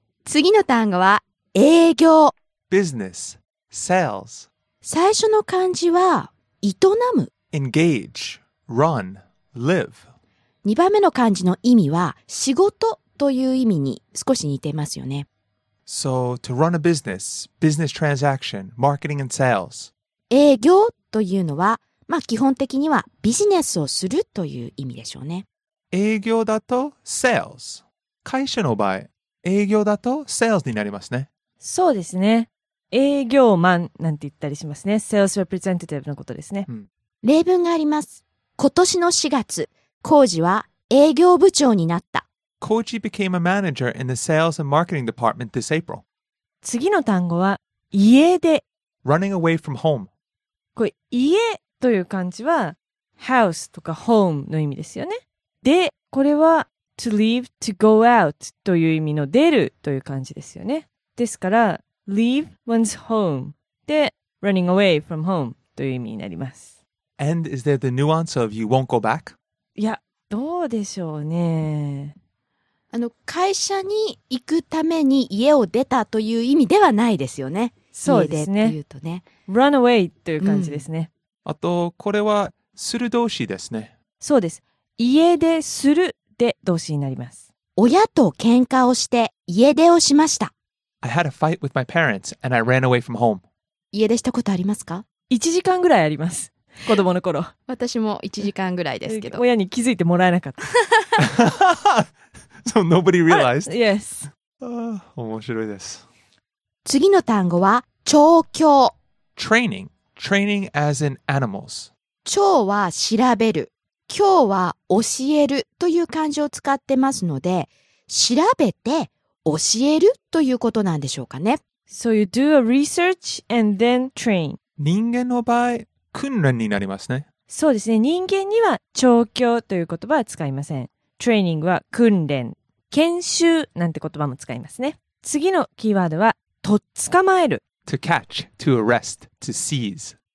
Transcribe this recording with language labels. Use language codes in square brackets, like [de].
[ja] 次の単語は、営業。 [en] Business, sales. [ja] 最初の漢字は、営む。 [en] Engage, run, live. [ja] 2番目の漢字の意味は仕事という意味に少し似てますよね。 [en] So, to run a business, business transaction, marketing and sales. [ja] 営業というのは、まあ基本的にはビジネスをするという意味でしょうね。営業だと sales。会社の場合、営業だと sales になりますね。そうですね。営業マンなんて言ったりしますね。 sales representative のことですね。うん、例文があります。今年の4月。コージは営業部長になった。 [en] コージ became a manager in the sales and marketing department this April. [ja] 次の単語は家で。 [en] Running away from home. [ja] これ家という漢字は house とか home の意味ですよね。で、これは [en] to leave, to go out [ja] という意味の出るという漢字ですよね。ですから [en] leave one's home [ja] で [en] running away from home [ja] という意味になります。 [en] And is there the nuance of you won't go back? [ja] いや、どうでしょうね。あの、会社に行くために家を出たという意味ではないですよね。そうですね。言うとね。 run away という感じですね。うん、あと、これは、する動詞ですね。そうです。家出するで動詞になります。親と喧嘩をして家出をしました。 [en] I had a fight with my parents and I ran away from home. [ja] 家出したことありますか ?1時間ぐらいあります。子供の頃。私も1時間ぐらいですけど。親に気づいてもらえなかった。 [en] So nobody realized? Yes. [ja] 面白いです。次の単語は、調教。 [en] Training. Training as in animals. [ja] 調は調べる。教は教えるという漢字を使ってますので、調べて教えるということなんでしょうかね。 [en] So you do a research and then train. [ja] 人間の場合、訓練になりますね。そうですね。人間には調教という言葉は使いません。 Training は訓練。研修なんて言葉も使いますね。次のキーワードは、とっつかまえる。 [en] To catch, to arrest, to seize.